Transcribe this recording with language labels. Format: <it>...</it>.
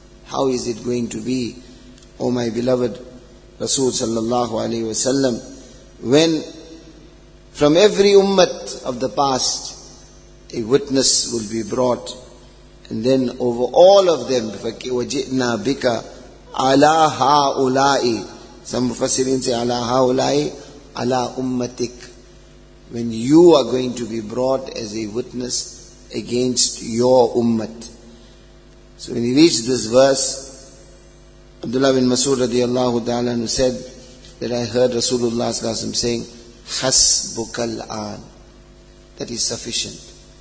<en>How is it going to be, O my beloved Rasul sallallahu alayhi wa sallam, when from every ummat of the past, a witness will be brought, and then over all of them,</en> <ar>وَجِئْنَا بِكَ عَلَىٰ هَٰؤُلَاءِ.</ar> <en>Some Mufassirin say,</en> <ar>عَلَىٰ هَٰؤُلَاءِ عَلَىٰ أُمَّتِكَ.</ar> <en>When you are going to be brought as a witness against your ummat. So when he reached this verse, Abdullah bin Mas'ud radiallahu ta'ala who said that I heard Rasulullah sallallahu alayhi wa sallam saying,</en> <ar>حَسْبُكَ الْآن.</ar> <en>That is sufficient.</en>